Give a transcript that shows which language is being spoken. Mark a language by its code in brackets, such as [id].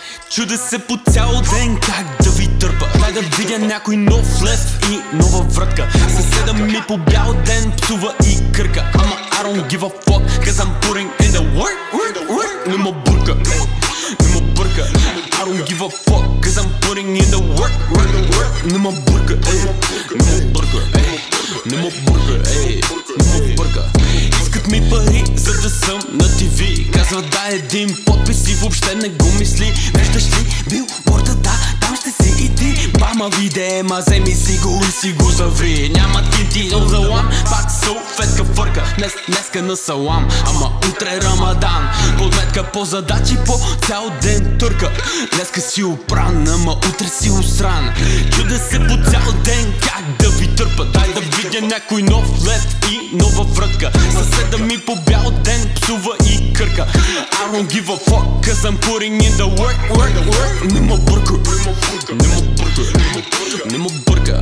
[bg] Чуде се по цял ден как да ви търпа. Да видя някой нов лев и нова врътка. Съседа ми по бял ден псува и кърка. [en] Ама I don't give a fuck, cause I'm putting in the work. [bg] Не ма бърка, не ма бърка. [en] I don't give a fuck, cause I'm putting in the work. [bg] Не ма бърка, не ма бърка, не ма бърка, не ма бърка. Искат ми пари, за да съм на TV. Казва да един подпис и въобще не го мисли. Виждаш ли бил борда, да, там ще си и ти. Мама видее, ма земи си го и си го заври. Няма кинти, но за лам, пак салфетка фърка. Днеска на салам, ама утре рамадан. Подметка по задачи, по цял ден търка. Днеска си опран, ама утре си усран. Чуде се по цял ден, как да ви търпа. Дай да видя някой нов лев и нова врътка. Съседа ми по бял ден псува и кърка. [en] I don't give a fuck, cause I'm putting in the work. [bg] Не ма бърка, не ма бърка, не ма бърка.